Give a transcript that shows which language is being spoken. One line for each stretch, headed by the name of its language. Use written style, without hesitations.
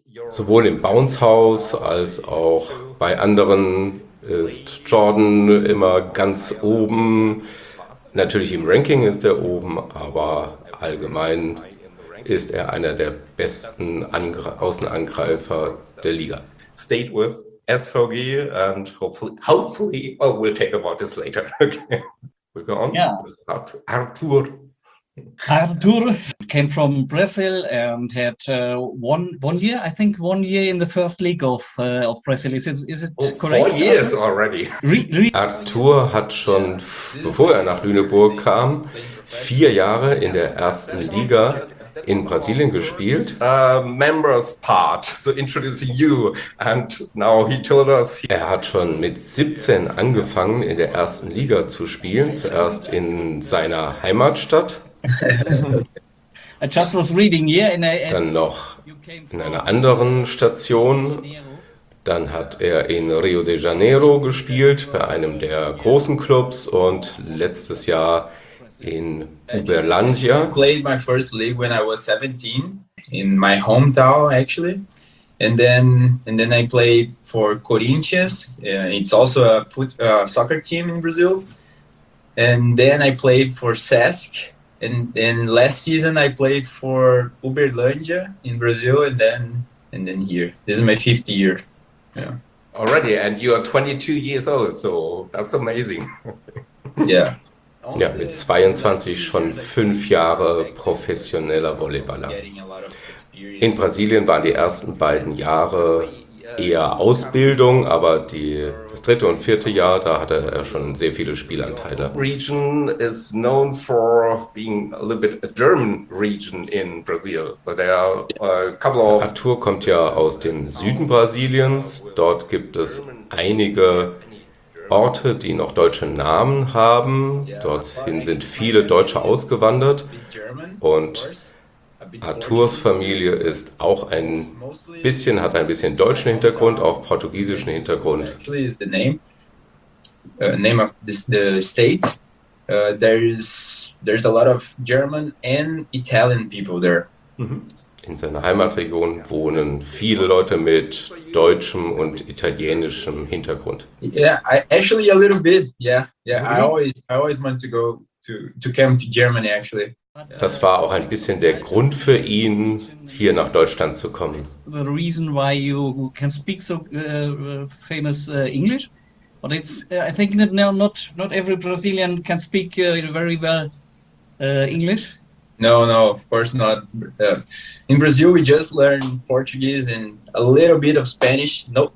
German: Sowohl im Bounce House als auch bei anderen ist Jordan immer ganz oben. Natürlich im Ranking ist er oben, aber allgemein ist er einer der besten Außenangreifer der Liga.
English: Stayed with SVG and hopefully, oh, we'll take about this later. Yeah. Arthur came from Brazil and had one year, I think, 1 year in the first league of Brazil. Is it correct? 4 years already.
German: Arthur hat schon, bevor er nach Lüneburg kam, 4 Jahre in der ersten Liga in Brasilien gespielt.
English: Members part, so introduce you. And now he told us.
German: Er hat schon mit 17 angefangen, in der ersten Liga zu spielen, zuerst in seiner Heimatstadt.
English: I just was reading here in a.
German: Dann noch in einer anderen Station. Dann hat er in Rio de Janeiro gespielt, bei einem der großen Clubs und letztes Jahr in Uberlândia.
English: I played my first league when I was 17 in my hometown actually, and then I played for Corinthians. It's also a soccer team in Brazil. And then I played for SESC, and last season I played for Uberlândia in Brazil, and then here. This is my fifth year. Yeah. Already, and you are 22 years old, so that's amazing. Yeah.
German: Ja, mit 22 schon 5 Jahre professioneller Volleyballer. In Brasilien waren die ersten beiden Jahre eher Ausbildung, aber das dritte und vierte Jahr, da hatte er schon sehr viele Spielanteile.
English: Region is known for being a little bit a German region in Brazil. There are a couple of
German: Arthur kommt ja aus dem Süden Brasiliens. Dort gibt es einige Orte, die noch deutsche Namen haben. Dorthin sind viele Deutsche ausgewandert. Und Arthurs Familie ist auch hat ein bisschen deutschen Hintergrund, auch portugiesischen Hintergrund.
English: Actually is the name of the state. There's a lot of German and Italian people there.
German: In seiner Heimatregion wohnen viele Leute mit deutschem und italienischem Hintergrund.
English: I always want to go to come to Germany actually.
German: Das war auch ein bisschen der Grund für ihn, hier nach Deutschland zu kommen.
English: The reason why you can speak so famous English, but it's I think that now not every Brazilian can speak very well English. No, of course not. In Brazil, we just learn Portuguese and a little bit of Spanish.